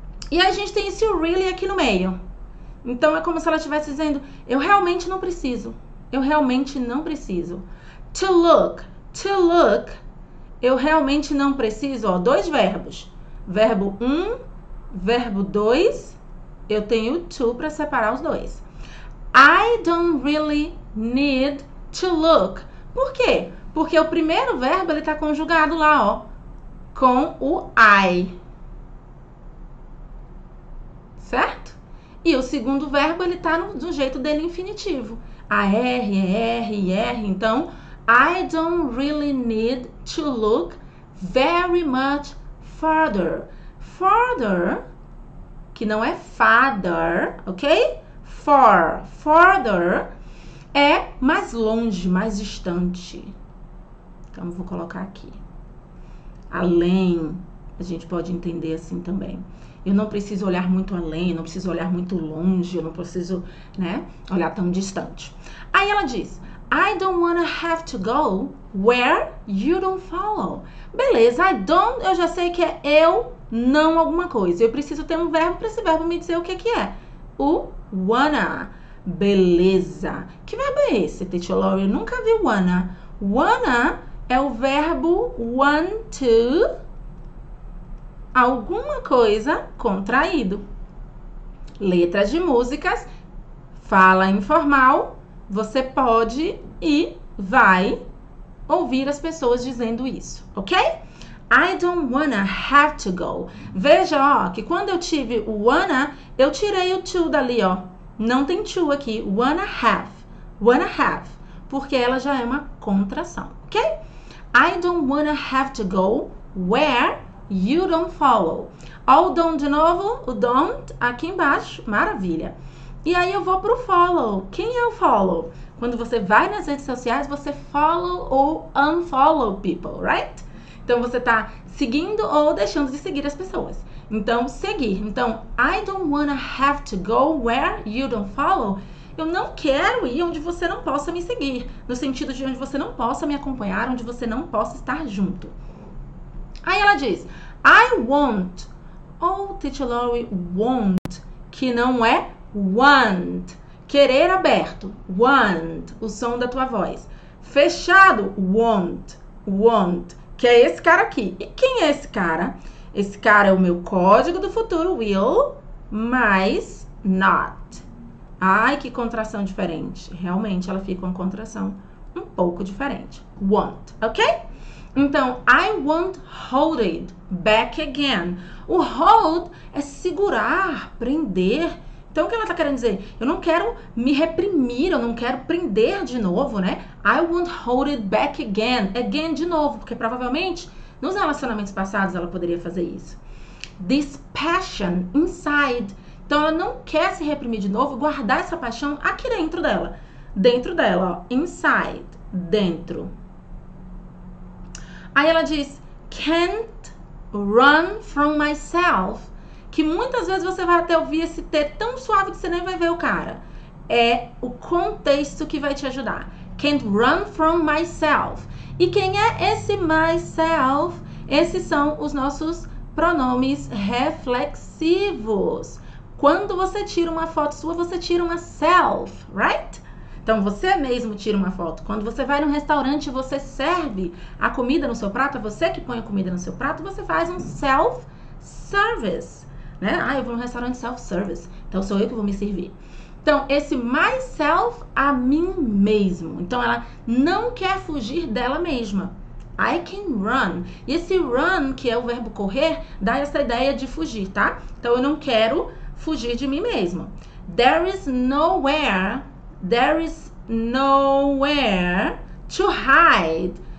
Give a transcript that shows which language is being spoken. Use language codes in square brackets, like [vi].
[pt] E a gente tem esse really aqui no meio. Então, é como se ela estivesse dizendo: eu realmente não preciso. Eu realmente não preciso. To look, eu realmente não preciso, ó, dois verbos. Verbo um, verbo dois, eu tenho to para separar os dois. [en] I don't really need to look. [pt] Por quê? Porque o primeiro verbo ele tá conjugado lá, ó, com o I. Certo? E o segundo verbo ele tá no, do jeito dele infinitivo. A-R-R-R, então. [en] I don't really need to look very much further. [pt] Further, que não é father, ok? For, further é mais longe, mais distante. Então, eu vou colocar aqui. Além, a gente pode entender assim também. Eu não preciso olhar muito além, não preciso olhar muito longe, eu não preciso, né, olhar tão distante. Aí ela diz: [en] I don't wanna have to go where you don't follow. [pt] Beleza, [en] I don't, [pt] eu já sei que é eu não alguma coisa. Eu preciso ter um verbo para esse verbo me dizer o que é. O wanna. Beleza. Que verbo é esse, Teacher Laurie? Eu nunca vi wanna. Wanna é o verbo want to alguma coisa contraído. Letras de músicas, fala informal, você pode e vai ouvir as pessoas dizendo isso, ok? [en] I don't wanna have to go. [pt] Veja, ó, que quando eu tive o wanna, eu tirei o to dali, ó. Não tem to aqui, wanna have, porque ela já é uma contração, ok? [en] I don't wanna have to go where you don't follow. [pt] Ó, o don't de novo, o don't aqui embaixo, maravilha. E aí eu vou pro follow. Quem é o follow? Quando você vai nas redes sociais, você follow ou [en] unfollow people, right? [pt] Então você tá seguindo ou deixando de seguir as pessoas. Então, seguir. [en] Então, I don't wanna have to go where you don't follow. [pt] Eu não quero ir onde você não possa me seguir. No sentido de onde você não possa me acompanhar, onde você não possa estar junto. Aí ela diz, I won't. Ou, Teacher Laurie, won't, que não é want. Querer aberto, want, o som da tua voz. Fechado, want, want, que é esse cara aqui. E quem é esse cara? Esse cara é o meu código do futuro, will, mais not. Ai, que contração diferente. Realmente, ela fica uma contração um pouco diferente. Want, ok? [en] Então, I won't hold it back again. [pt] O hold é segurar, prender. Então, o que ela está querendo dizer? Eu não quero me reprimir, eu não quero prender de novo, né? [en] I won't hold it back again. [pt] Again, de novo, porque provavelmente nos relacionamentos passados ela poderia fazer isso. [en] This passion inside. [pt] Então, ela não quer se reprimir de novo, guardar essa paixão aqui dentro dela. Dentro dela, ó. Inside. Dentro. Aí ela diz, [en] can't run from myself. [pt] Que muitas vezes você vai até ouvir esse T tão suave que você nem vai ver o cara. É o contexto que vai te ajudar. [en] Can't run from myself. [pt] E quem é esse myself? Esses são os nossos pronomes reflexivos. Quando você tira uma foto sua, você tira uma self, right? Então você mesmo tira uma foto. Quando você vai num restaurante e você serve a comida no seu prato, é você que põe a comida no seu prato, você faz um self-service, né? Ah, eu vou num restaurante self-service, então sou eu que vou me servir. Então, esse myself a mim mesmo. Então ela não quer fugir dela mesma. [en] I can run. [pt] E esse run, que é o verbo correr, dá essa ideia de fugir, tá? Então eu não quero fugir de mim mesma. [en] There is nowhere. There is nowhere to hide.